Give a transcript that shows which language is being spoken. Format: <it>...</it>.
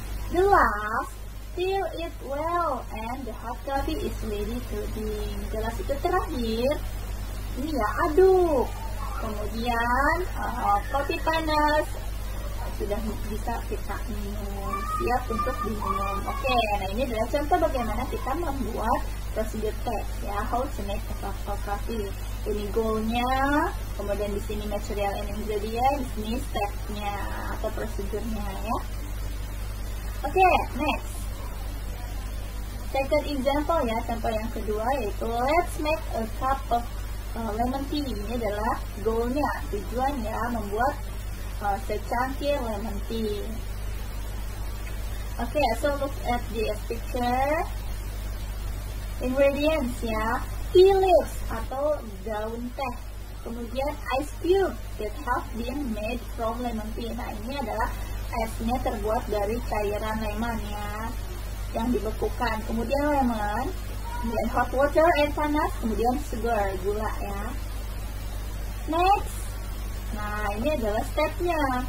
<en>The last, fill it well and the hot coffee is ready to drink.</en> <id>Gelas itu terakhir, ini ya, aduk. Kemudian kopi panas sudah bisa kita minum, siap untuk diminum. Oke, okay, nah, ini adalah contoh bagaimana kita membuat procedure text ya, how to make a cup of coffee. Ini goalnya, kemudian di sini material and ingredients, ini stepnya atau prosedurnya ya. Oke, okay, next.</id> <en>Second example ya, contoh yang kedua yaitu let's make a cup of lemon tea.</en> <id>Ini adalah goalnya, tujuannya membuat secangkir lemon tea.</id> <en>Okay, so look at this picture. Ingredients ya, tea leaves atau daun teh. Kemudian ice cube that have been made from lemon tea.</en> <id>Nah, ini adalah esnya terbuat dari cairan lemon ya, yang dibekukan. Kemudian lemon, kemudian hot water and panas, kemudian sugar, gula ya. Next, nah ini adalah stepnya.</id>